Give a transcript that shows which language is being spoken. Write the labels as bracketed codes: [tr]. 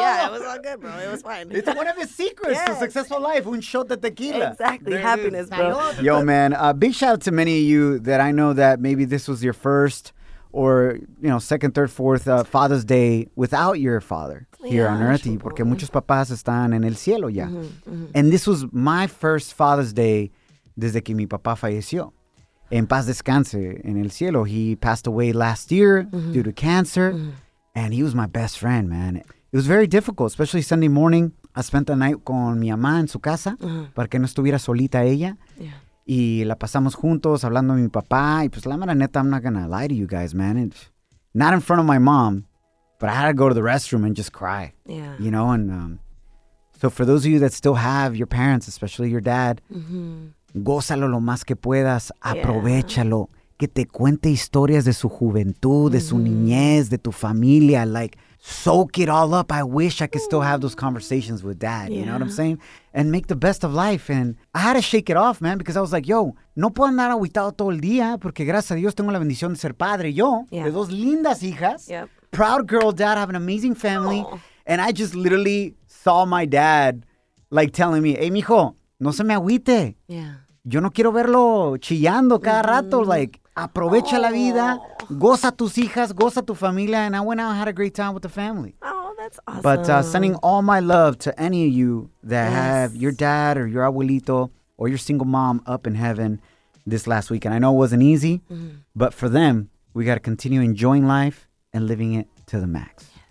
[en] Yeah, it was all good, bro. It was fine. It's one of his secrets to successful life, [es] un shot de tequila. [en] Exactly. There happiness, bro. Yo, man, big shout out to many of you that I know that maybe this was your first or, you know, second, third, fourth Father's Day without your father here on Earth. Sure, [es] porque muchos papás están en el cielo ya. Mm-hmm, mm-hmm. [en] And this was my first Father's Day [es] desde que mi papá falleció. En paz descanse, en el cielo. [en] He passed away last year due to cancer. Mm-hmm. And he was my best friend, man. It was very difficult, especially Sunday morning. I spent the night [es] con mi mamá en su casa para que no estuviera solita ella. [en] Yeah. [es] Y la pasamos juntos hablando de mi papá. Y pues la mera neta, [en] I'm not gonna lie to you guys, man. It's not in front of my mom, but I had to go to the restroom and just cry. Yeah. You know, and so for those of you that still have your parents, especially your dad, [es] gózalo lo más que puedas, aprovechalo, que te cuente historias de su juventud, de su niñez, de tu familia, [en] like, soak it all up. I wish I could still have those conversations with dad, you know what I'm saying? And make the best of life, and I had to shake it off, man, because I was like, [es] yo, no puedo andar agüitado todo el día, porque gracias a Dios tengo la bendición de ser padre, yo, de dos lindas hijas, [en] proud girl, dad, have an amazing family, and I just literally saw my dad, like, telling me, [es] hey, mijo, no se me agüite. [en] Yeah. [es] Yo no quiero verlo chillando cada rato. [en] Like, [es] aprovecha la vida, goza tus hijas, goza tu familia. [en] And I went out and had a great time with the family. Oh, that's awesome. But sending all my love to any of you that have your dad or your abuelito or your single mom up in heaven this last week. And I know it wasn't easy, but for them, we got to continue enjoying life and living it to the max.